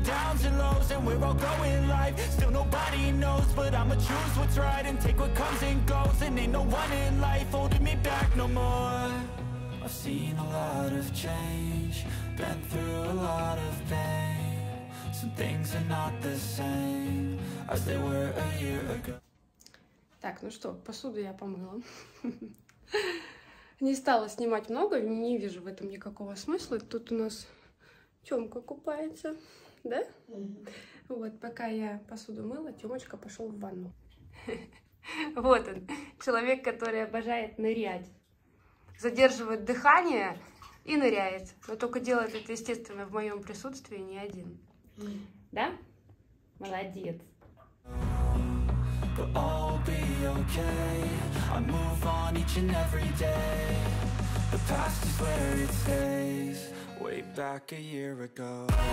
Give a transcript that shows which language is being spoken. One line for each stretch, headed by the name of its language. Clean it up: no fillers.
English: downs and lows, and we're all going live. Still nobody knows, but I'ma choose what's right and take what comes and goes. And ain't no one in life holding me back no more. I've seen a lot of change, been through a lot of pain. Some things are not the same as they were a year ago.
Russian: Так, ну что, посуду я помыла. Не стала снимать много, не вижу в этом никакого смысла. Тут у нас Тёмка купается, да? Mm-hmm. Вот, пока я посуду мыла, Тёмочка пошёл в ванну. Вот он, человек, который обожает нырять. Задерживает дыхание и ныряет. Но только делает это, естественно, в моём присутствии, не один. Да? Молодец.
English: But all be okay, I move on each and every day. The past is where it stays, way back a year ago.